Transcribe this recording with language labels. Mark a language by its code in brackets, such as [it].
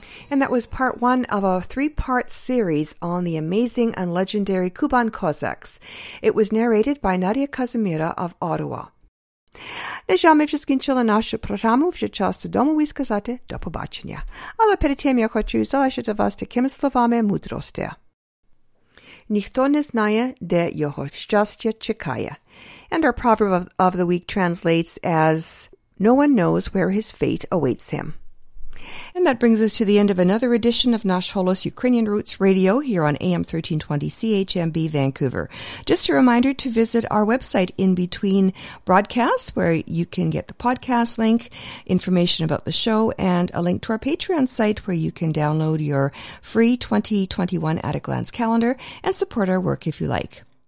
[en] That was part one of a three-part series on the amazing and legendary Kuban Cossacks. It was narrated by Nadia Kazimira of Ottawa. [uk] На жаль, ми вже скінчили нашу програму, вже час додому і сказати до побачення. Але перед тим я хочу залишити вас такими словами мудрості. Ніхто не знає, де його щастя чекає. [en] And our proverb of the week translates as, no one knows where his fate awaits him. And that brings us to the end of another edition of Nash Holos Ukrainian Roots Radio here on AM 1320 CHMB Vancouver. Just a reminder to visit our website in between broadcasts where you can get the podcast link, information about the show, and a link to our Patreon site where you can download your free 2021 at-a-glance calendar and support our work if you like.